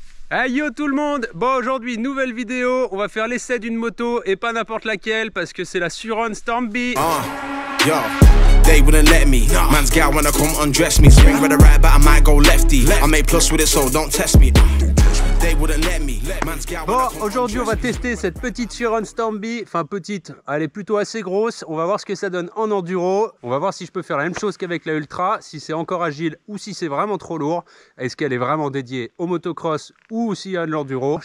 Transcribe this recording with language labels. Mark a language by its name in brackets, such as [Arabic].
[French] Hey yo tout le monde! Bon, aujourd'hui, nouvelle vidéo, on va faire l'essai d'une moto et pas n'importe laquelle parce que c'est la Suron Stormbi. [English] Yo! They wouldn't let me. Man's gal wanna come undress me. Swing with the right, but I might go lefty. I make plus with it, so don't test me. They wouldn't let me. Man's gal. [French] Bon, aujourd'hui on va tester cette petite Suron Stormbi. Enfin petite, elle est plutôt assez grosse. On va voir ce que ça donne en enduro. On va voir si je peux faire la même chose qu'avec la Ultra, si c'est encore agile ou si c'est vraiment trop lourd. Est-ce qu'elle est vraiment dédiée au motocross ou aussi à l'enduro?